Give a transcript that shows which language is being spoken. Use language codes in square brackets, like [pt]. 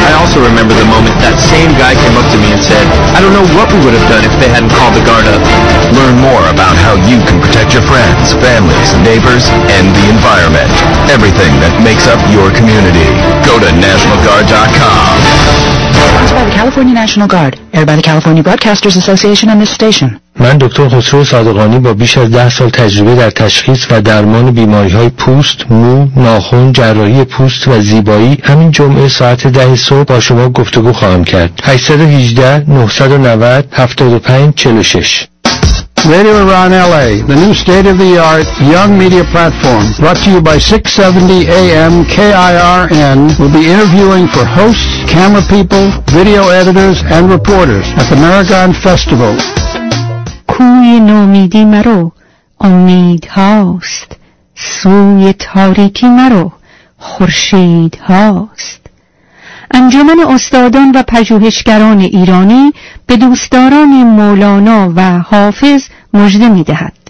[en] I also remember the moment that same guy came up to me and said, I don't know what we would have done if they hadn't called the guard up. Learn more about how you can protect your friends, families, neighbors, and the environment. Everything that makes up your community. Go to NationalGuard.com. Sponsored by the California National Guard. Aired by the California Broadcasters Association on this station. [fa] من دکتر خسرو صادقانی با بیش از 10 سال تجربه در تشخیص و درمان بیماری‌های پوست، مو، ناخن، جراحی پوست و زیبایی همین جمعه ساعت 10 صبح با شما گفتگو خواهم کرد. 818 990 7546 [en] Radio Iran LA, the new state-of-the-art young media platform, brought to you by 670 AM KIRN, will be interviewing for hosts, camera people, video editors, and reporters at the Maragon Festival. [fa] کوی نومیدی مرو، امید هاست. سوی تاریکی مرو، خورشید هاست. انجمن استادان و پژوهشگران ایرانی به دوستداران مولانا و حافظ مژده می‌دهد.